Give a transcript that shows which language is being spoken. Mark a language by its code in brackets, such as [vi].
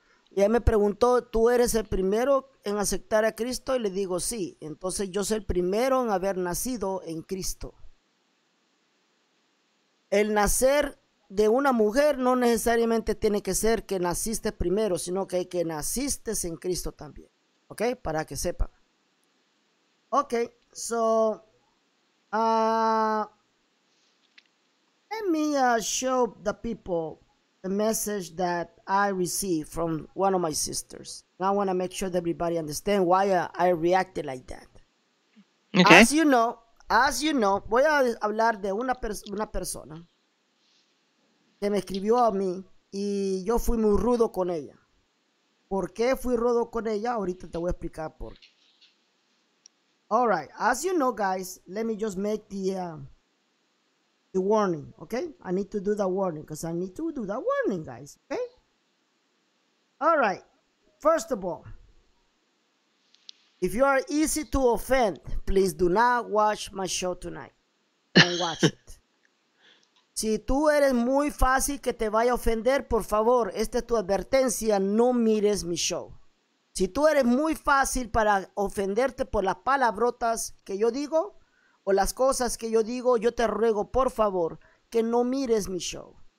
[es] Y ella me preguntó, ¿tú eres el primero en aceptar a Cristo? Y le digo, sí. Entonces, yo soy el primero en haber nacido en Cristo. El nacer de una mujer no necesariamente tiene que ser que naciste primero, sino que hay que naciste en Cristo también. ¿Ok? Para que sepa. Ok. [en] So, let me show the people the message that I received from one of my sisters. And I want to make sure that everybody understand why I reacted like that. Okay. As you know, [es] voy a hablar de una persona que me escribió a mí y yo fui muy rudo con ella. ¿Por qué fui rudo con ella? Ahorita te voy a explicar por qué. [en] All right. As you know, guys, let me just make the warning, okay? I need to do the warning because I need to do the warning, guys, okay? All right. First of all, if you are easy to offend, please do not watch my show tonight. Don't watch it. [es] Si tú eres muy fácil que te vaya a ofender, por favor, esta es tu advertencia, no mires mi show. Si tú eres muy fácil para ofenderte por las palabrotas que yo digo, o las cosas que yo digo, yo te ruego, por favor, que no mires mi show.